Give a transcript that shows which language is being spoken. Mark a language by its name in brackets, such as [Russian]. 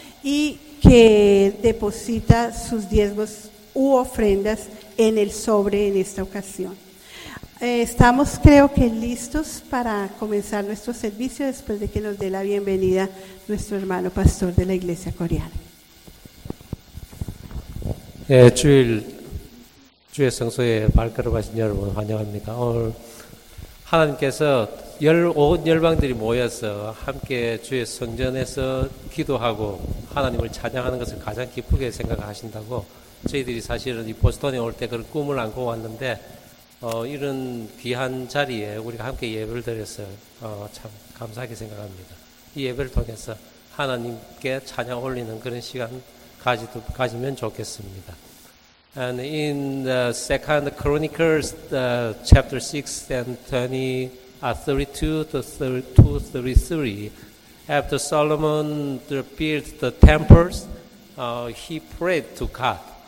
[Spanish] y que deposita sus diezmos u ofrendas en el sobre en esta ocasión. Estamos, creo que, listos para comenzar nuestro servicio después de que nos dé la bienvenida nuestro hermano pastor de la iglesia coreana. [Korean] 예, 주일, 주의 성소에 발걸음 하신 여러분 환영합니다. 오늘 하나님께서 온 열방들이 모여서 함께 주의 성전에서 기도하고 하나님을 찬양하는 것을 가장 기쁘게 생각하신다고 저희들이 사실은 이 보스턴에 올 때 그런 꿈을 안고 왔는데 이런 귀한 자리에 우리가 함께 예배를 드려서 참 감사하게 생각합니다. 이 예배를 통해서 하나님께 찬양 올리는 그런 시간 가지면 좋겠습니다. [English] And in the second Chronicles, chapter 6 and 32 to 33, after Solomon built the temples, he prayed to God.